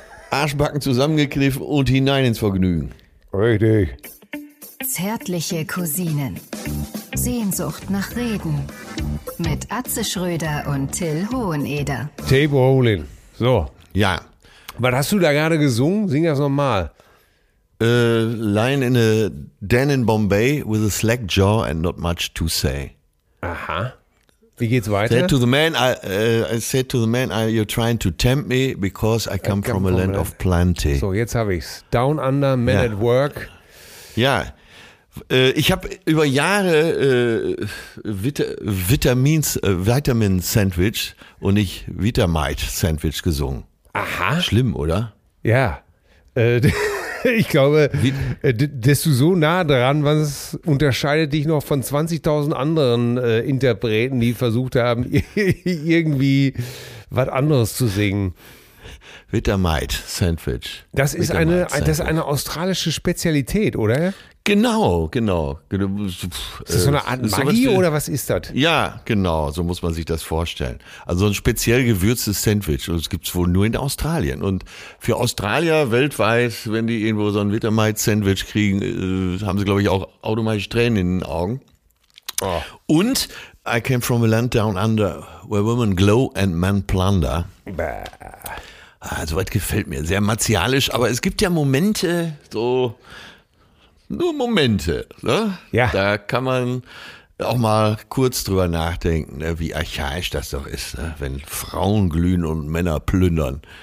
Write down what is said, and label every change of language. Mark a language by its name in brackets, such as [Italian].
[German] Arschbacken zusammengekniffen und hinein ins Vergnügen. Richtig. Zärtliche Cousinen. Sehnsucht nach Reden. Mit Atze Schröder und Till Hoheneder. [English] Table rolling. So. [German] Ja. Was hast du da gerade gesungen? Sing das nochmal. [English] Lying in a den in Bombay with a slack jaw and not much to say. [German] Aha. Wie geht's weiter? [English] Said to the man, you're trying to tempt me because I come from a land of plenty. [German] So, jetzt habe ich's. [English] Down under, man at work. [German] Ja, ich habe über Jahre Vitamin Sandwich und nicht Vitamite Sandwich gesungen. Aha. Schlimm, oder? Ja. Ich glaube, dass du so nah dran warst, unterscheidet dich noch von 20.000 anderen Interpreten, die versucht haben, irgendwie was anderes zu singen. Vitamite Sandwich. Das ist eine australische Spezialität, oder? Genau. Ist das so eine Art Maggi oder was ist das? Ja, genau, so muss man sich das vorstellen. Also ein speziell gewürztes Sandwich und das gibt es wohl nur in Australien. Und für Australier weltweit, wenn die irgendwo so ein Vitamite-Sandwich kriegen, haben sie, glaube ich, auch automatisch Tränen in den Augen. Oh. [English] Und I came from a land down under where women glow and men plunder. [German] Bäh. Also was gefällt mir, sehr martialisch, aber es gibt ja Momente, so... Nur Momente, ne? Ja. Da kann man auch mal kurz drüber nachdenken, ne? Wie archaisch das doch ist, ne? Wenn Frauen glühen und Männer plündern.